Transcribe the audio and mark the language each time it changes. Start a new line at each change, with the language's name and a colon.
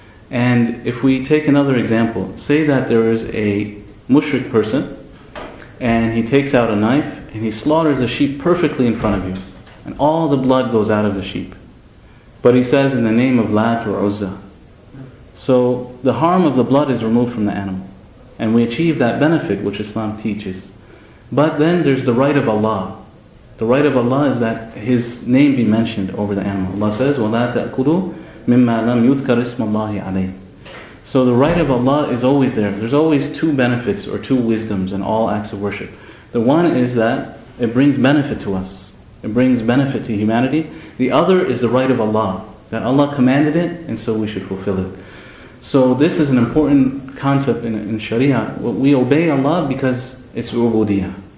English: And if we take another example, say that there is a mushrik person and he takes out a knife and he slaughters a sheep perfectly in front of you and all the blood goes out of the sheep. But he says in the name of Lat or Uzza. So the harm of the blood is removed from the animal. And we achieve that benefit which Islam teaches. But then there's the right of Allah. The right of Allah is that His name be mentioned over the animal. Allah says,
Arabic: وَلَا تَأْكُلُوا مِمَّا لَمْ يُذْكَرِ اسْمَ اللَّهِ عَلَيْهِ.
English: So the right of Allah is always there. There's always two benefits or two wisdoms in all acts of worship. The one is that it brings benefit to us. It brings benefit to humanity. The other is the right of Allah. That Allah commanded it and so we should fulfill it. So this is an important concept in Sharia. We obey Allah because it's ubudiyyah.